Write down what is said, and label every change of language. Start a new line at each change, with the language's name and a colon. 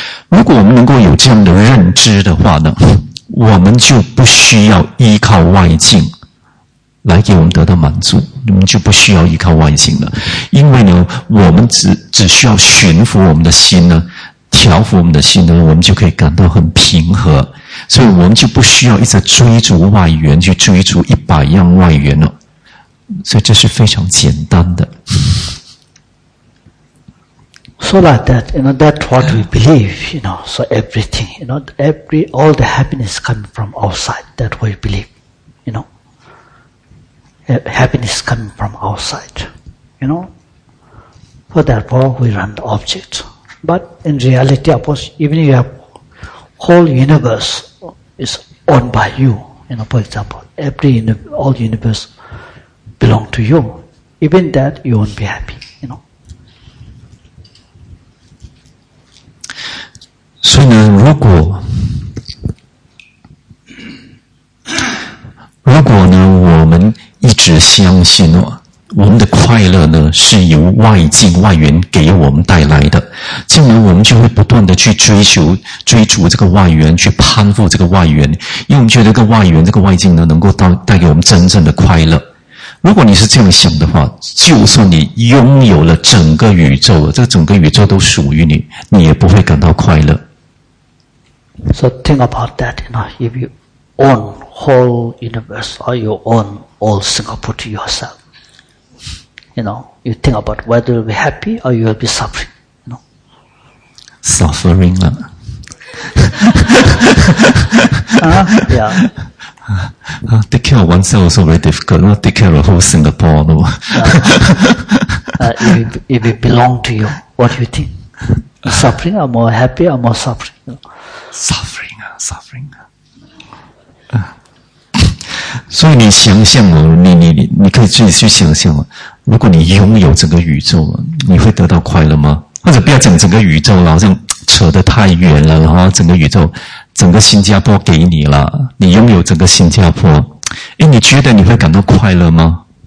Chinese: 如果我们能够有这样的认知的话呢，我们就不需要依靠外境来给我们得到满足，我们就不需要依靠外境了。因为呢，我们只需要驯服我们的心呢，调服我们的心呢，我们就可以感到很平和。所以我们就不需要一直追逐外缘，去追逐一百样外缘了。所以这是非常简单的。
English: So like that, you know, that's what we believe, you know, so everything, you know, all the happiness coming from outside, that we believe, you know. Happiness coming from outside, you know. For that, we run the object. But in reality, of course, even if you have whole universe is owned by you, you know, for example, all universe belong to you, even that, you won't be happy.
Chinese: 所以呢，如果呢，我们一直相信哦，我们的快乐呢是由外境外缘给我们带来的，这样呢，我们就会不断的去追逐这个外缘，去攀附这个外缘，因为我们觉得这个外境呢能够带给我们真正的快乐。如果你是这样想的话，就算你拥有了整个宇宙，这整个宇宙都属于你，你也不会感到快乐。
English: So think about that, you know, if you own whole universe or you own all Singapore to yourself, you know, you think about whether you'll be happy or you'll be suffering, you know. Suffering, lah. Yeah. Take care of oneself is very difficult, not take care of whole Singapore, no. if it belong to you, what do you think? Suffering or more happy or more suffering, you know? Suffering.
Chinese: 所以你想象哦，你可以自己去想象哦，如果你拥有整个宇宙，你会得到快乐吗？或者不要讲整个宇宙了，好像扯得太远了，然后整个宇宙，整个新加坡给你了，你拥有整个新加坡，诶，你觉得你会感到快乐吗？